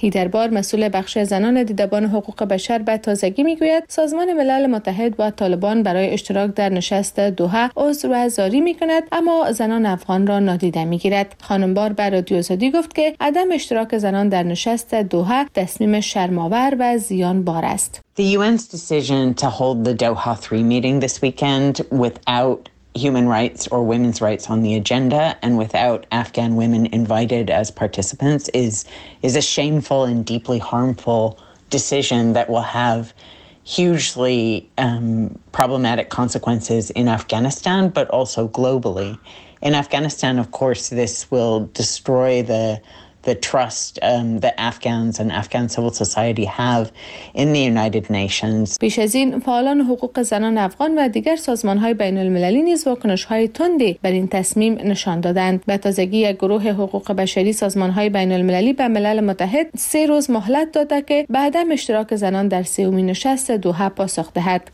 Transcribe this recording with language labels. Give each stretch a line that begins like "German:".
Persian: هیدربار، مسئول بخش زنان دیدبان حقوق بشر، به تازگی میگوید سازمان ملل متحد و طالبان برای اشتراک در نشست دوحه عذر و زاری میکند، اما زنان افغان را نادیده میگیرد. خانم بار بر رادیو آزادی گفت که عدم اشتراک زنان در نشست دوحه تصمیم شرم‌آور و زیانبار است.
English: The UN's decision to hold the Doha 3 meeting this weekend without human rights or women's rights on the agenda and without Afghan women invited as participants is a shameful and deeply harmful decision that will have hugely problematic consequences in Afghanistan but also globally. In Afghanistan, of course, this will destroy the trust that Afghans and Afghan civil society have in the United Nations.
Persian: پیش از این فعالان حقوق زنان افغان و دیگر سازمان‌های بین‌المللی نیز واکنش‌های تندی بر این تصمیم نشان دادند. به تازگی یک گروه حقوق بشری سازمان‌های بین‌المللی به ملل متحد 3 روز مهلت داد که بعد از اشتراک زنان در 30 نشست دوحه پاسخ دهد.